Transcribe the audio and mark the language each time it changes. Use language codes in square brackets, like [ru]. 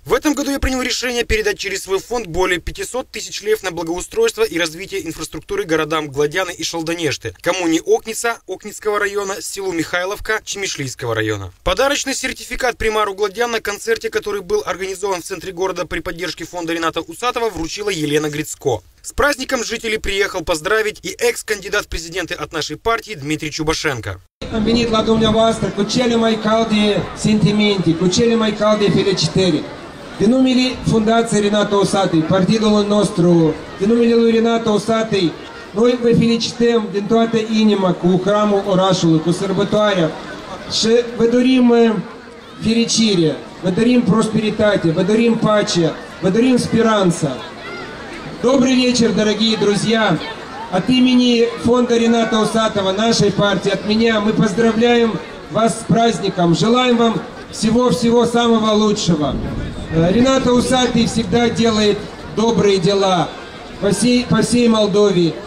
[ru] В этом году я принял решение передать через свой фонд более 500 тысяч леев на благоустройство и развитие инфраструктуры городам Гладяны и Шалданешты, коммуне Окница Окницкого района, селу Михайловка Чемишлийского района. Подарочный сертификат примару Гладян на концерте, который был организован в центре города при поддержке фонда Рината Усатова, вручила Елена Грицко. С праздником жителей приехал поздравить и экс-кандидат в президенты от нашей партии Дмитрий Чубашенко. [ro] Venit la dumneavoastră cu cele mai calde sentimente, cu cele mai calde felicitări. Din numele Fundației Rinato Osatei, partidul nostru, din numele lui Rinato Osatei, noi vă felicităm din toată inima cu hramul orașului, cu sărbătoarea și vă dorim fericire, vă dorim prosperitate, vă dorim pace, vă dorim speranță. [ru] Добрый вечер, дорогие друзья! От имени фонда Рината Усатова, нашей партии, от меня, мы поздравляем вас с праздником. Желаем вам всего-всего самого лучшего. Рината Усатый всегда делает добрые дела по всей Молдове.